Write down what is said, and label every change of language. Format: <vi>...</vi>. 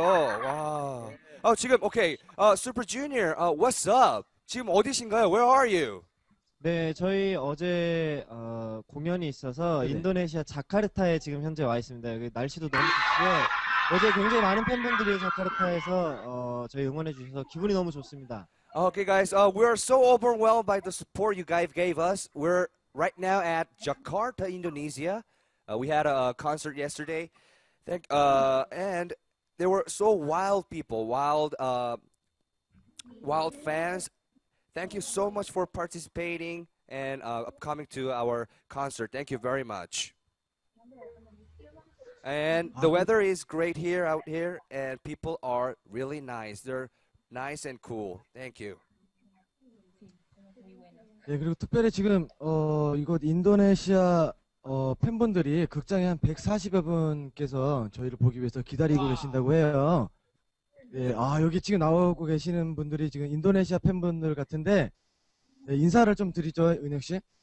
<ko>와. 아, 지금 오케이. 아, Super Junior,</ko> <en>what's up?</en> <ko>지금 어디신가요?</ko> <en>Where are you?</en> <ko>네, 저희 어제 공연이 있어서 인도네시아 자카르타에 지금 현재 와 있습니다. 여기 날씨도 너무 좋고요. 어제 굉장히 많은 팬분들이 자카르타에서 저희 응원해 주셔서 기분이 너무 좋습니다.</ko> <en>Okay, guys. We are so overwhelmed by the support you guys gave us. We're right now at Jakarta, Indonesia. We had a concert yesterday, and there were so wild people, wild fans. Thank you so much for participating and coming to our concert. Thank you very much. And the weather is great here, out here, and people are really nice. They're nice and cool. Thank you.</en> <ko>네, 그리고 특별히 지금 이곳 인도네시아 팬분들이 극장에 한 140여 분께서 저희를 보기 위해서 기다리고 계신다고 해요. 네, 아, 여기 지금 나오고 계시는 분들이 지금 인도네시아 팬분들 같은데 네, 인사를 좀 드리죠, 은혁 씨.</ko>